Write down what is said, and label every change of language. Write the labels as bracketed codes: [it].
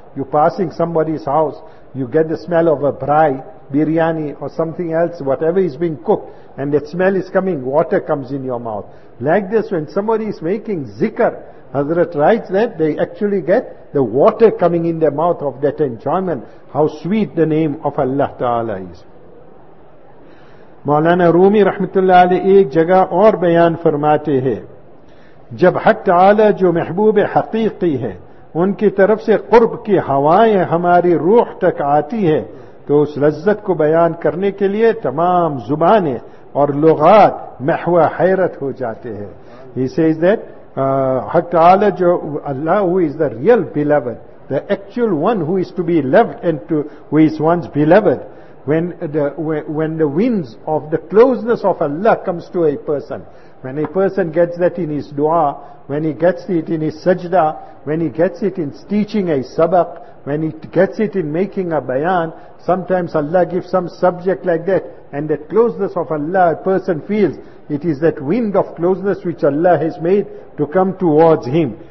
[en] You're passing somebody's house, you get the smell of a braai, biryani or something else, whatever is being cooked, and that smell is coming, water comes in your mouth. Like this, when somebody is making zikr, Hazrat writes that they actually get the water coming in their mouth of that enjoyment, how sweet the name of Allah Ta'ala is. [ur] مولانا رومی رحمت اللہ علیہ ایک جگہ اور بیان فرماتے ہیں, جب حق تعالی جو محبوب حقیقی ہے ان کی طرف سے قرب کی ہوائیں ہماری روح تک آتی ہیں تو اس لذت کو بیان کرنے کے لیے تمام زبانیں اور لغات محو حیرت ہو جاتے ہیں. [en] He says that [ur] حق تعالی جو اللہ, [en] who is the real beloved, the actual one who is to be loved and to who is one's beloved, When the winds of the closeness of Allah comes to a person, when a person gets that in his dua, when he gets it in his sajda, when he gets it in teaching a sabak, when he gets it in making a bayan, sometimes Allah gives some subject like that, and that closeness of Allah, a person feels, it is that wind of closeness which Allah has made to come towards him.